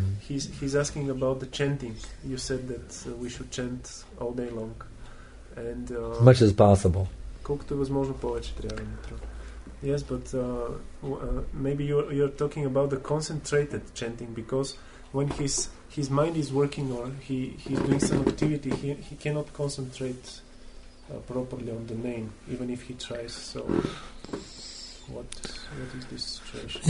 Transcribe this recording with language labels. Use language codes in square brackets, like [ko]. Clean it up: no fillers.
[en] He's asking about the chanting. You said that we should chant all day long. And as much as possible. [bg] Колкото е възможно повече трябва да мантрува. [en] Yes, but maybe you're talking about the concentrated chanting, because when his mind is working or he's doing some activity, he cannot concentrate properly on the name, even if he tries. So what is this situation?